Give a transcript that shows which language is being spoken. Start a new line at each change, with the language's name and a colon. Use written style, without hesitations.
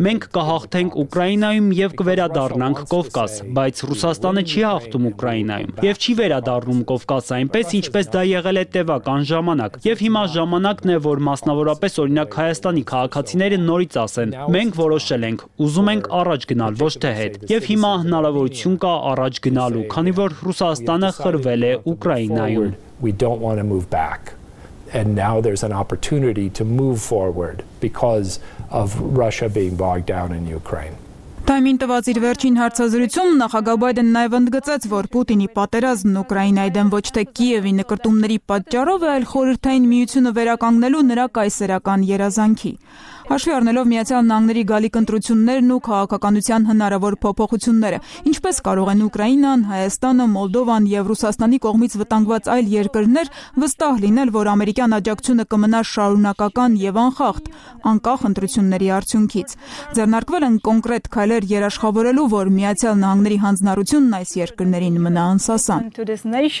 Armenian: մենք կհաղթենք Ուկրաինայում եւ կվերադառնանք Կովկաս, բայց Ռուսաստանը չի հաղթում Ուկրաինայում եւ չի վերադառնում Կովկաս այնպես, ինչպես դա եղել է տևական ժամանակ։ Եվ հիմա ժամանակն է, որ մասնավորապես օրինակ Հայաստանի քաղաքացիները նորից ասեն. մենք որոշել ենք, ուզում ենք առաջ գնալ, ոչ թե հետ, եւ հիմա հնարավորություն կա առաջ գնալու, քանի որ Ռուսաստանը խրվել է Ուկրաինայում։
English: We don't want to move back, and now there's an opportunity to move forward because of Russia being bogged down in Ukraine.
Armenian: Թայմին տված իր վերջին հարցազրույցում նախագահ Բայդենը նաև ընդգծեց, որ Պուտինի պատերազմն Ուկրաինայի դեմ ոչ թե Կիևի նկատումների պատճառով է, այլ խորհրդային միությունը վերականգնելու նրա կայսերական երազանքի։ հաշվի առնելով Միացյալ Նահանգների գալիք ընտրություններն ու քաղաքականության հնարավոր փոփոխությունները, ինչպես կարող են Ուկրաինան, Հայաստանը, Մոլդովան և Ռուսաստանի կողմից վտանգված այլ երկրներ վստահ լինել, որ ամերիկյան աջակցությունը կմնա շարունակական և անխախտ, անկախ ընտրությունների արդյունքից։ Ձեռնարկվել են կոնկրետ քայլեր երաշխավորելու, որ Միացյալ Նահանգների հանձնարությունն այս երկրներին մնա անսասան։